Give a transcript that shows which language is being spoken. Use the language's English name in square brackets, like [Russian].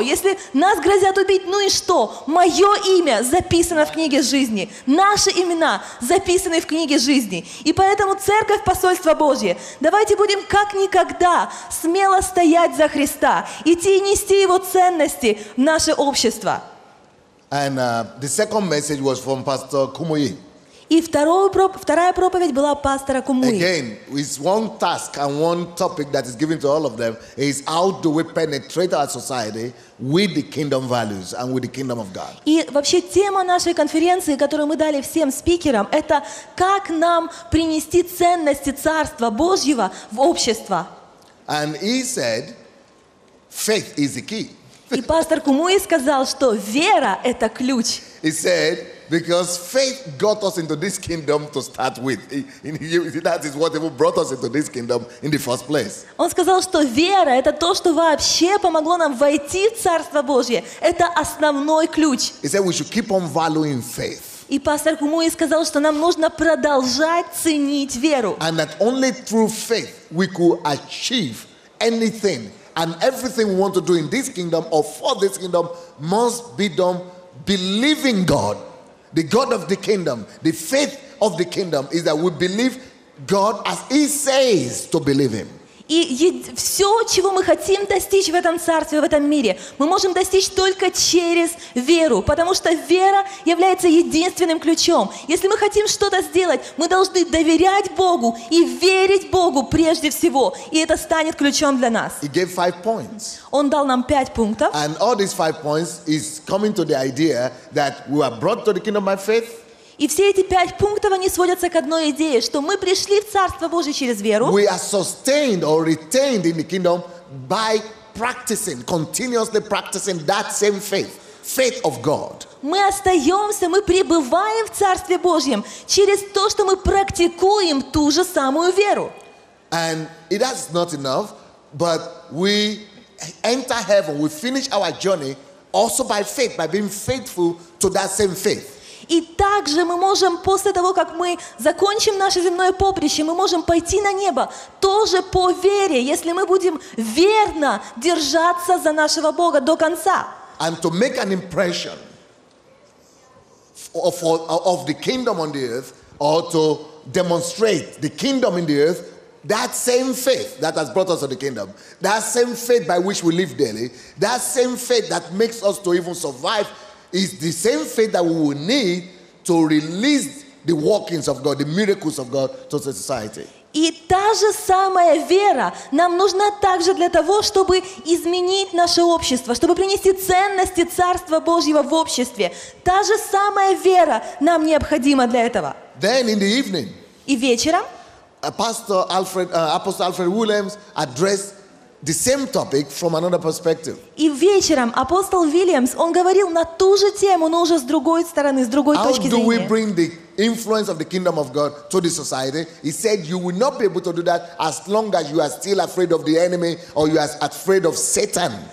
[Russian] Если нас грозят убить, ну и что? Мое имя записано в книге жизни. Наши имена записаны в книге жизни. И поэтому Церковь Посольства Божье, давайте будем как никогда смело стоять за Христа, идти и нести Его ценности в наше общество. [English] And the second message was from Pastor Kumuyi. [Russian] И вторая проповедь была пастора Кумуи. [English] Again, it's one task and one topic that is given to all of them is how do we penetrate our society with the kingdom values and with the kingdom of God. [Russian] И вообще тема нашей конференции, которую мы дали всем спикерам, это как нам принести ценности Царства Божьего в общество. [English] And he said, faith is the key. [Russian] И пастор Кумуи сказал, что вера — это ключ. [English] He said, because faith got us into this kingdom to start with. That is what even brought us into this kingdom in the first place. [Russian] Он сказал, что вера — это то, что вообще помогло нам войти в Царство Божье. Это основной ключ. [English] He said we should keep on valuing faith. [Russian] И пастор Кумуи сказал, что нам нужно продолжать ценить веру. [English] And that only through faith we could achieve anything. And everything we want to do in this kingdom or for this kingdom must be done believing God. The God of the kingdom, the faith of the kingdom is that we believe God as He says to believe Him. [Russian] И все, чего мы хотим достичь в этом царстве, в этом мире, мы можем достичь только через веру, потому что вера является единственным ключом. Если мы хотим что-то сделать, мы должны доверять Богу и верить Богу прежде всего, и это станет ключом для нас. [English] He gave 5 points. [Russian] Он дал нам 5 пунктов. [English] And all these 5 points is coming to the idea that we are brought to the kingdom by faith. [Russian] И все эти 5 пунктов, они сводятся к одной идее, что мы пришли в Царство Божие через веру. [English] We are sustained or retained in the kingdom by practicing, continuously practicing that same faith, faith of God. [Russian] Мы остаемся, мы пребываем в Царстве Божьем через то, что мы практикуем ту же самую веру. [English] And that's not enough, but we enter heaven, we finish our journey also by faith, by being faithful to that same faith. [Russian] И также мы можем, после того, как мы закончим наше земное поприще, мы можем пойти на небо тоже по вере, если мы будем верно держаться за нашего Бога до конца. [English] And to make an impression of the kingdom on the earth, or to demonstrate the kingdom in the earth, that same faith that has brought us to the kingdom, that same faith by which we live daily, that same faith that makes us to even survive, is the same faith that we will need to release the workings of God, the miracles of God to the society. [Russian] И та же самая вера нам нужна также для того, чтобы изменить наше общество, чтобы принести ценности Царства Божьего в обществе. Та же самая вера нам необходима для этого. [English] Then in the evening, [Russian] и вечером, [English] Pastor Alfred, Apostle Alfred Williams addressed the same topic from another perspective. [Russian] И вечером апостол Уильямс, он говорил на ту же тему, но уже с другой стороны, с другой точки зрения. [English] How do we bring the influence of the kingdom of God to the society? He said you will not be able to do that as long as you are still afraid of the enemy or you are afraid of Satan.